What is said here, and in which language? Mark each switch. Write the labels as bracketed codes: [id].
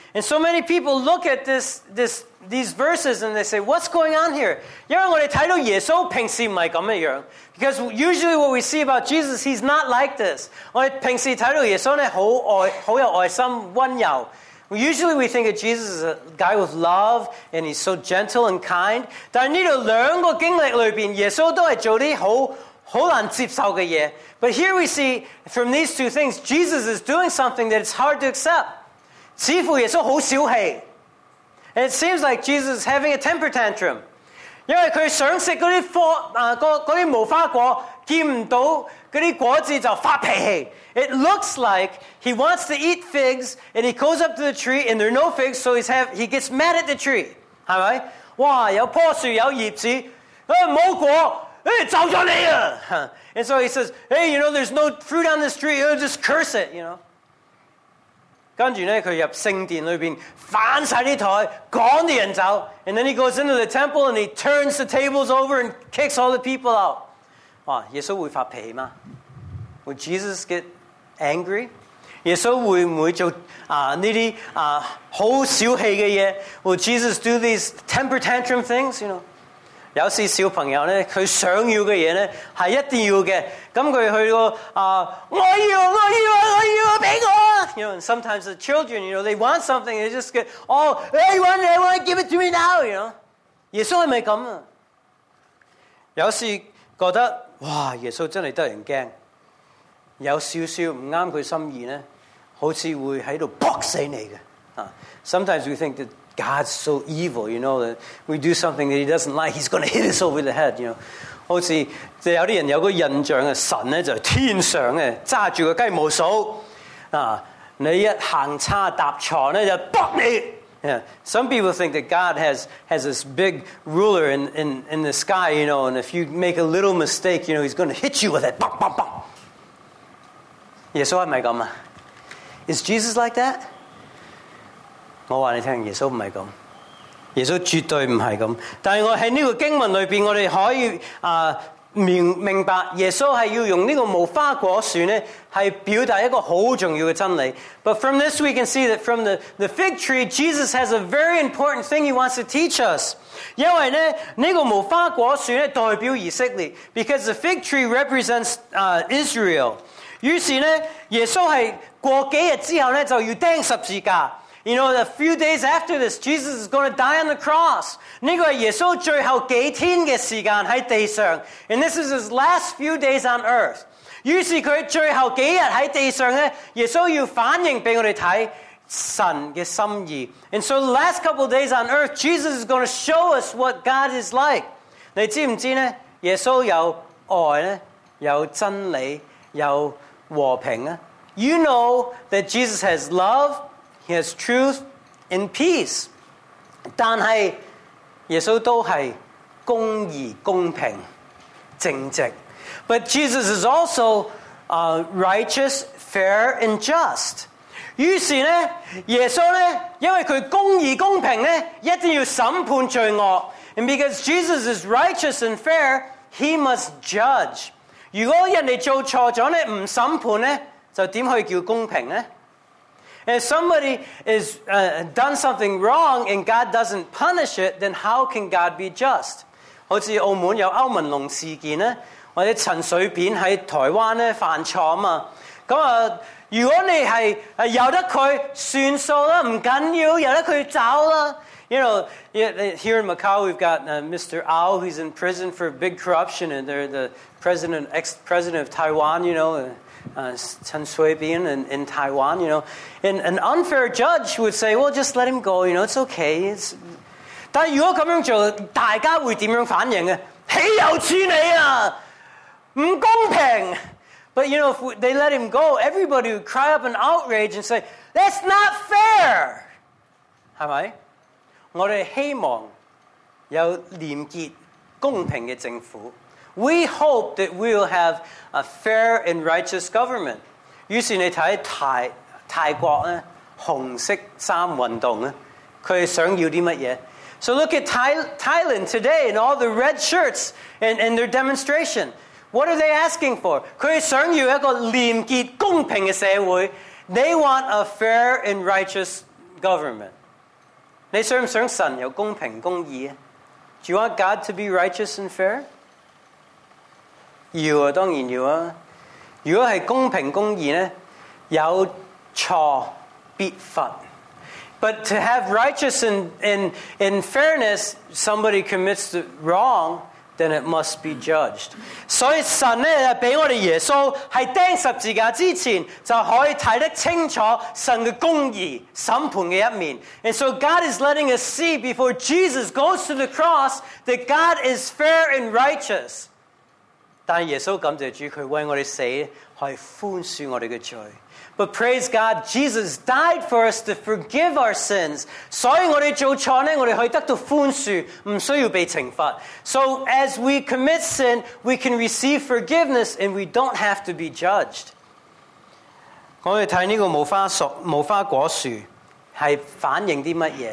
[en] And so many people look at these verses and they say what's going on here， [zh] 因为我们看到耶稣平时不是这样。 [en] Because usually what we see about Jesus， he's not like this。 [zh] 我们平时看到耶稣呢 很有爱心温柔。 [en] Usually we think of Jesus as a guy with love and he's so gentle and kind. [zh] 但是这两个经历里面耶稣都是做的 很难接受的事。 [en] But here we see from these two things, Jesus is doing something that it's hard to accept. [zh] 似乎耶稣很小气。 [en] And it seems like Jesus is having a temper tantrum. [zh] 因为他想吃那些无花果，见不到那些果子就发脾气。 [en] It looks like he wants to eat figs and he goes up to the tree and there are no figs, so he gets mad at the tree. All right? [zh] 哇，有棵树有叶子，无果，咒咗你啊！ [en] And so he says, hey, you know, there's no fruit on this tree, just curse it, you know. [zh] 跟住呢，他入圣殿里面，翻晒啲台，赶啲人走。 [en] And then he goes into the temple and he turns the tables over and kicks all the people out. [zh] 哇，耶稣会发脾气吗？ [en] Would Jesus get angry? [zh] 耶稣会不会做这些很小气的事？ [en] Will Jesus do these temper tantrum things? You know? [zh] 有些小朋友呢，他想要的事呢，是一定要的。那他去到我要，我要，我要，给我！ [en] You know, and sometimes the children, you know, they want something, they just get, oh, hey, I want to give it to me now, you know? [zh] 耶稣是不是这样？有些觉得，哇，耶稣真的得人怕。有少少唔啱佢心意咧，好似会喺度搏死你嘅。 [en] Sometimes we think that God's so evil, you know, that we do something that He doesn't like, He's going to hit us over the head, you know. [zh] 好似就有啲人有个印象嘅神咧，就是天上嘅揸住个鸡毛扫你一行差踏错咧就搏你。 [en] Yeah. Some people think that God has this big ruler in the sky, you know, and if you make a little mistake, you know, He's going to hit you with it. Bop, bop, bop. [zh] 耶稣是不是这样？ [en] Is Jesus like that? [zh] 我告诉你，耶稣不是这样，耶稣绝对不是这样。但是我在这个经文里面，我们可以明白耶稣是要用这个无花果树呢，是表达一个很重要的真理。 [en] But from this we can see that from the fig tree, Jesus has a very important thing he wants to teach us. [zh] 因为呢，这个无花果树呢，代表以色列。 [en] Because the fig tree represents Israel. [zh] 於是呢，耶稣是过几日之后呢，就要钉十字架。 [en] You know, a few days after this, Jesus is going to die on the cross. [zh] 这个是耶稣最后几天的时间在地上。 [en] And this is his last few days on earth. [zh] 於是他最后几日在地上呢，耶稣要反映给我们看神的心意。 [en] And so the last couple of days on earth, Jesus is going to show us what God is like. [zh] 你知不知呢，耶稣有爱呢，有真理。有和平啊。 [en] You know that Jesus has love, he has truth and peace. [zh] 但是耶稣都是公义、公平、正直。 [en] But Jesus is also righteous, fair and just. [zh] 于是呢，耶稣呢，因为他公义、公平呢，一定要审判罪恶。 [en] And because Jesus is righteous and fair, he must judge. [zh] 如果人家做错了不审判呢，就怎么可以叫公平呢？ [en] If somebody has done something wrong and God doesn't punish it, then how can God be just? [zh] 好像澳门有欧文龙事件呢，或者陈水扁在台湾呢犯错嘛。如果你是由得他算数啦，不紧要，由得他走啦。 [en] You know, here in Macau, we've got Mr. Ao, who's in prison for big corruption, and they're the ex-president of Taiwan, you know, Chen Shui-bin in Taiwan, you know. And an unfair judge would say, well, just let him go, you know, it's okay. It's... [zh] 但如果咁样做，大家会点样反应啊？岂有此理啊！唔公平！ But you know, if they let him go, everybody would cry up in outrage and say, that's not fair! 是不是？我们希望有廉洁公平的政府。 [en] We hope that we will have a fair and righteous government. [zh] 于是你看泰国呢红色衫运动，他们想要什么？ [en] So look at Thailand today and all the red shirts and their demonstration. What are they asking for? [zh] 他们想要一个廉洁公平的社会。 [en] They want a fair and righteous government. [zh] 你想不想神有公平公义？ [en] Do you want God to be righteous and fair? [zh] 要啊，当然要啊。如果是公平公义呢，有错必罚。 [en] But to have righteousness and fairness, somebody commits the wrong, then it must be judged. [zh] 所以神呢，俾我哋耶稣系钉十字架之前，就可以睇得清楚神嘅公义审判嘅一面。 [en] And so God is letting us see before Jesus goes to the cross that God is fair and righteous. [zh] 但耶稣感谢主，佢为我哋死，可以宽恕我哋嘅罪。 [en] But praise God, Jesus died for us to forgive our sins. [zh] 所以我们做错呢，我们可以得到宽恕，不需要被惩罚。 [en] So as we commit sin, we can receive forgiveness and we don't have to be judged. [zh] 我们看这个无花果树是反映什么。